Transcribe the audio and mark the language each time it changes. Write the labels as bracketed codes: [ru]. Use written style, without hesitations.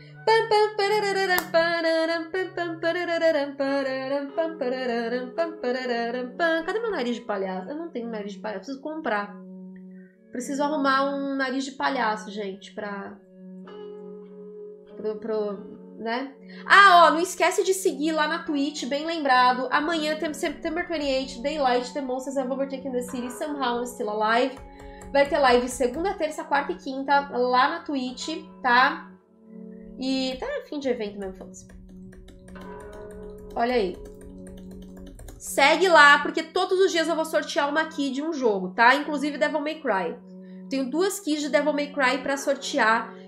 [pt] Cadê meu nariz de palhaço? Eu não tenho nariz de palhaço, preciso comprar. Preciso arrumar um nariz de palhaço, gente, pra... Pro, né? Ah, ó, não esquece de seguir lá na Twitch, bem lembrado. Amanhã, [en] September 28, Daylight, The Monsters Have Overtaken the City, Somehow I'm Still Alive. [pt] Vai ter live segunda, terça, quarta e quinta lá na Twitch, tá? E tá fim de evento mesmo, foda-se. Olha aí. Segue lá, porque todos os dias eu vou sortear uma key de um jogo, tá? Inclusive Devil May Cry. Tenho duas keys de Devil May Cry pra sortear.